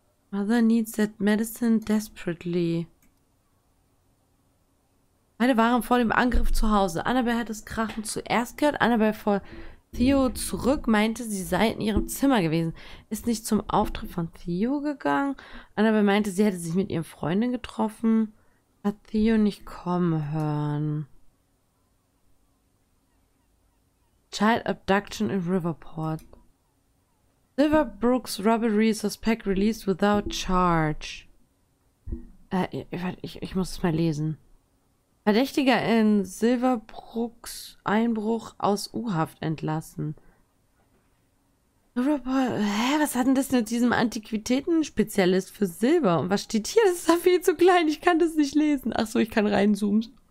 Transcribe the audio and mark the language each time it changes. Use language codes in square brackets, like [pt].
[en] Mother needs that medicine desperately. [de] Beide waren vor dem Angriff zu Hause. Annabelle hat das Krachen zuerst gehört. Annabelle vor Theo zurück, meinte, sie sei in ihrem Zimmer gewesen. Ist nicht zum Auftritt von Theo gegangen. Annabelle meinte, sie hätte sich mit ihren Freundin getroffen. Hat Theo nicht kommen hören. [en] Child abduction in Riverport. Silverbrook's robbery suspect released without charge. [de] Ich muss es mal lesen. Verdächtiger in Silverbrook's Einbruch aus U-Haft entlassen. Riverport, was hat denn das mit diesem Antiquitäten-Spezialist für Silber? Und was steht hier? Das ist doch viel zu klein, ich kann das nicht lesen. Ach so, ich kann reinzoomen.